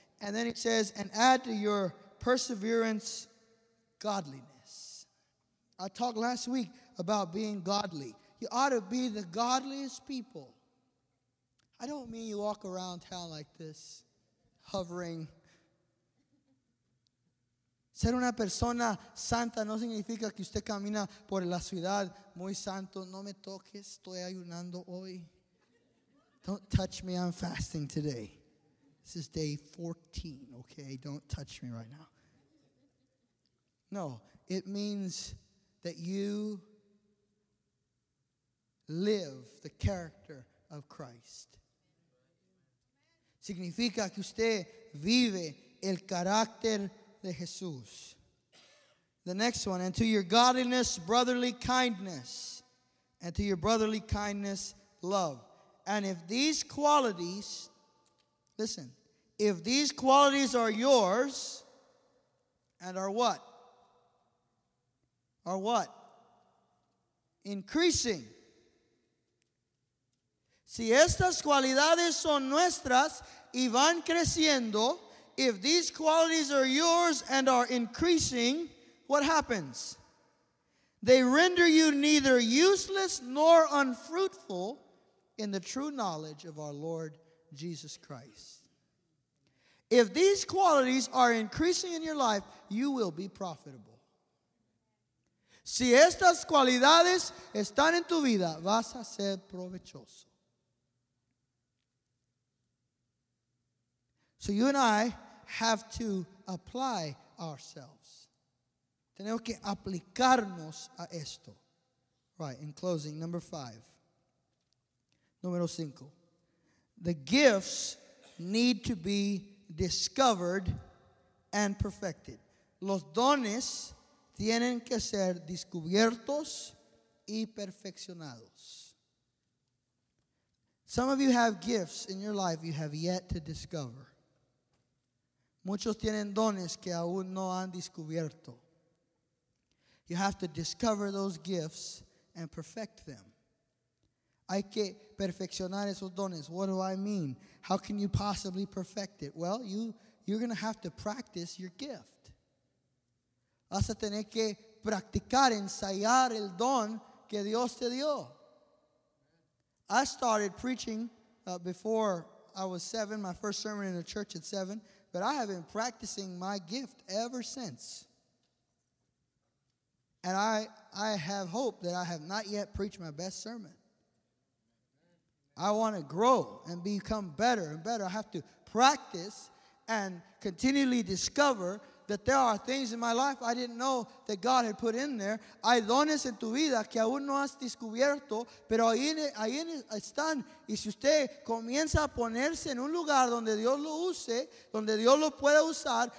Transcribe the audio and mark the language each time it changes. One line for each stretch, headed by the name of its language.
English: And then it says, and add to your perseverance godliness. I talked last week about being godly. You ought to be the godliest people. I don't mean you walk around town like this, hovering.
Spanish: Ser una persona santa no significa que usted camina por la ciudad muy santo. No me toques, estoy ayunando hoy.
English: Don't touch me, I'm fasting today. This is day 14, okay? Don't touch me right now. No, it means that you live the character of Christ.
Spanish: Significa que usted vive el carácter de Jesús.
English: The next one, and to your godliness, brotherly kindness. And to your brotherly kindness, love. And if these qualities, listen, if these qualities are yours, and are what? Are what? Increasing.
Spanish: Si estas cualidades son nuestras y van creciendo,
English: if these qualities are yours and are increasing, what happens? They render you neither useless nor unfruitful in the true knowledge of our Lord Jesus Christ. If these qualities are increasing in your life, you will be profitable.
Spanish: Si estas cualidades están en tu vida, vas a ser provechoso.
English: So you and I have to apply ourselves.
Spanish: Tenemos que aplicarnos a esto.
English: Right, in closing, number five.
Spanish: Número cinco.
English: The gifts need to be discovered and perfected.
Spanish: Los dones tienen que ser descubiertos y perfeccionados.
English: Some of you have gifts in your life you have yet to discover.
Spanish: Muchos tienen dones que aún no han descubierto.
English: You have to discover those gifts and perfect them.
Spanish: Hay que perfeccionar esos dones.
English: What do I mean? How can you possibly perfect it? Well, you're going to have to practice your gift.
Spanish: Vas a tener que practicar, ensayar el don que Dios te dio.
English: I started preaching before I was seven, my first sermon in the church at seven, but I have been practicing my gift ever since. And I have hope that I have not yet preached my best sermon. I want to grow and become better and better. I have to practice and continually discover that there are things in my life I didn't know that God had put in there.
Spanish: Hay dones en tu vida que aún no has descubierto, pero ahí están. Y si usted comienza a ponerse en un lugar donde Dios lo use, donde Dios lo puede usar,